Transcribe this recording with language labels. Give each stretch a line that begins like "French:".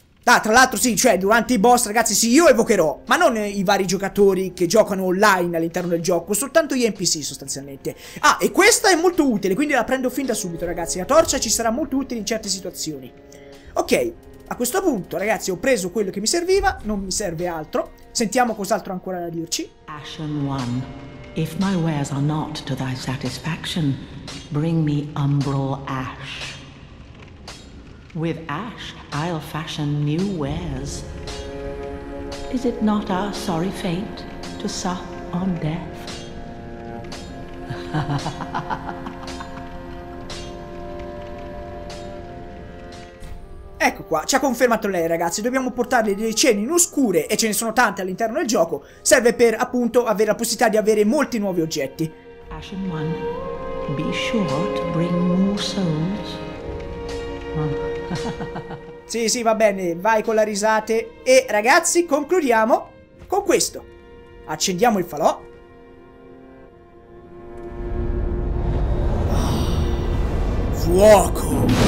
Italian: Ah, tra l'altro sì, cioè durante i boss, ragazzi, sì, io evocherò, ma non i vari giocatori che giocano online all'interno del gioco, soltanto gli NPC sostanzialmente. Ah, e questa è molto utile, quindi la prendo fin da subito, ragazzi. La torcia ci sarà molto utile in certe situazioni. Ok, a questo punto, ragazzi, ho preso quello che mi serviva, non mi serve altro. Sentiamo cos'altro ancora da dirci.
English: Ashen One, if my wares are not to thy satisfaction, bring me umbral ash. With ash, I'll fashion new wares. Is it not our sorry fate to sup on death?
Italian: Ecco qua, ci ha confermato lei, ragazzi. Dobbiamo portarle delle cene in oscure, e ce ne sono tante all'interno del gioco. Serve per, appunto, avere la possibilità di avere molti nuovi oggetti.
English: Ashen One, be sure to bring more souls.
Italian: Sì, sì, va bene, vai con la risate. E, ragazzi, concludiamo con questo. Accendiamo il falò. Fuoco!